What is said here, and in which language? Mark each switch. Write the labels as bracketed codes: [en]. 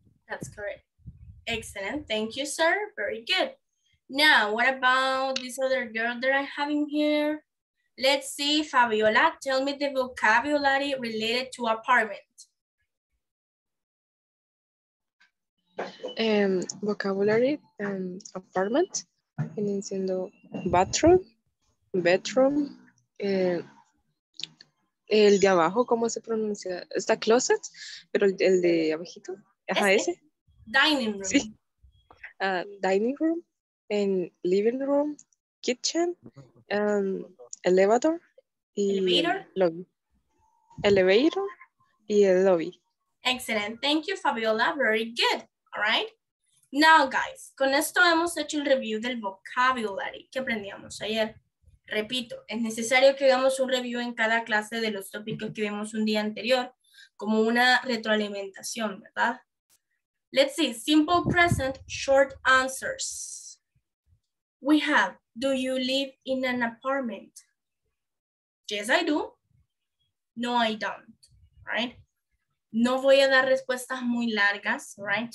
[en] That's correct. Excellent. Thank you, sir. Very good. Now, what about this other girl that I'm having here? Let's see, Fabiola, tell me the vocabulary related to apartment. [es] Vocabulary, apartment, viene siendo bathroom, bedroom, el de abajo, ¿cómo se pronuncia? Está closet, pero el de abajito, ajá, ese. [en] Dining room. [es] Sí. [en] Dining room, and living room, kitchen, elevator, y elevator. Lobby. Elevator y el lobby. Excellent. Thank you, Fabiola. Very good. All right. [es] Now, guys, con esto hemos hecho el review del vocabulary que aprendíamos ayer. Repito, es necesario que hagamos un review en cada clase de los tópicos que vimos un día anterior, como una retroalimentación, ¿verdad? [en] Let's see. Simple present, short answers. We have, do you live in an apartment? Yes, I do. No, I don't. Right? [es] No voy a dar respuestas muy largas, right?